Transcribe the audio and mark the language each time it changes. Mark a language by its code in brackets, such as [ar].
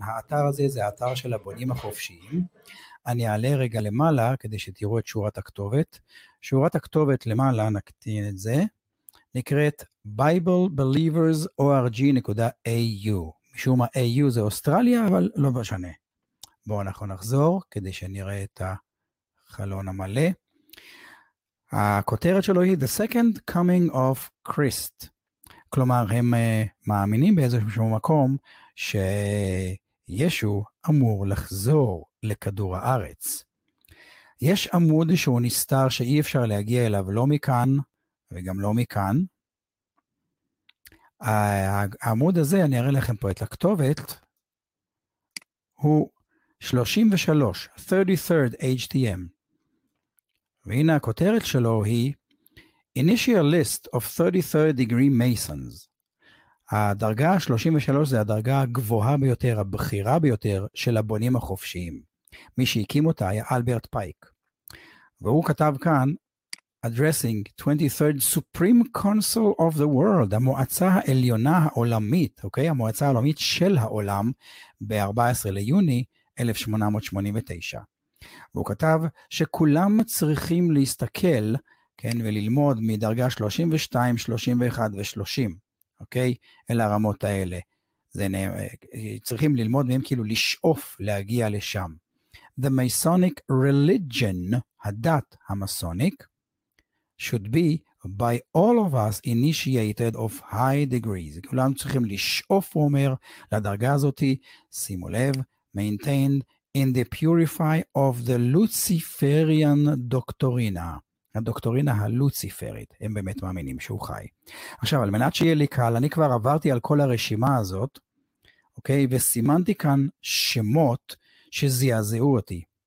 [he] האתר הזה זה האתר של הבונים החופשיים. אני אעלה רגע למעלה כדי שתראו את שורת הכתובת. שורת הכתובת למעלה, נקטין את זה, נקראת biblebelievers.org.au. משום ה-AU זה אוסטרליה, אבל לא משנה. בואו אנחנו נחזור כדי שנראה את החלון המלא. הכותרת שלו היא [en] The Second Coming of Christ. [he] כלומר, הם מאמינים באיזשהו מקום שישו אמור לחזור לכדור הארץ. יש עמוד שהוא נסתר שאי אפשר להגיע אליו לא מכאן וגם לא מכאן. העמוד הזה, אני אראה לכם פה את הכתובת, הוא 33, 33rd HTM. והנה הכותרת שלו היא [en] Initial List of 33rd Degree Masons. [he] הדרגה 33 זה הדרגה הגבוהה ביותר, הבחירה ביותר של הבונים החופשיים. מי שהקים אותה היה אלברט פייק. והוא כתב כאן, [en] Addressing 23rd Supreme Council of the World, [he] המועצה העליונה העולמית, אוקיי? המועצה העולמית של העולם, ב-14 ליוני 1889. והוא כתב שכולם צריכים להסתכל, כן, וללמוד מדרגה 32, 31 ו-30, אוקיי? אל הרמות האלה. זה צריכים ללמוד מהם כאילו לשאוף להגיע לשם. [en] The Masonic Religion, [he] הדת המסוניק, [en] should be by all of us initiated of high degrees. [he] כולנו צריכים לשאוף, הוא אומר, לדרגה הזאת, שימו לב, [en] maintained in the purify of the Luciferian doctrina. [he] הדוקטורינה הלוציפרית, הם באמת מאמינים שהוא חי. עכשיו, על מנת שיהיה לי קל, אני כבר עברתי על כל הרשימה הזאת, אוקיי, וסימנתי כאן שמות שזיעזעו אותי.